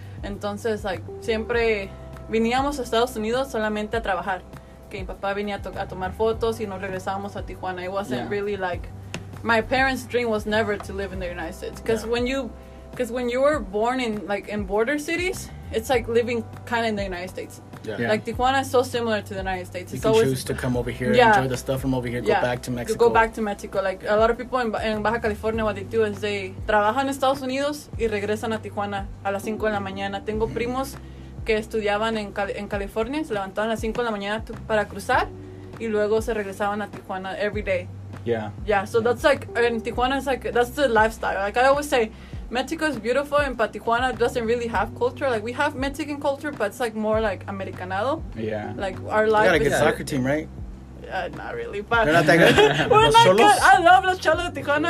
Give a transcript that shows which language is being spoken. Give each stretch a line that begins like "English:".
Spanish: Entonces, like, siempre veníamos a Estados Unidos solamente a trabajar. Que mi papá venía a tomar fotos y nos regresábamos a Tijuana.
English: It wasn't really like, my parents' dream was never to live in the United States. Because when you were born in, like, in border cities, it's like living kind of in the United States. Yeah. Like, Tijuana is so similar to the United States. You can choose to come over here, enjoy the stuff from over here, go back to Mexico. Like, a lot of people in Baja California, what they do is they
Spanish: trabajan en Estados Unidos y regresan a Tijuana a las 5 de la mañana. Tengo primos que estudiaban en California, se levantaban a las 5 de la mañana para cruzar y luego se regresaban a Tijuana
English: every day. Yeah. Yeah, so that's like, and Tijuana is like, that's the lifestyle. Like, I always say, Mexico is beautiful, and Tijuana doesn't really have culture. Like, we have Mexican culture, but it's like more like Americanado. Yeah. Like, our life. You got a good soccer team, right? Yeah, not really. I love los Cholos de Tijuana.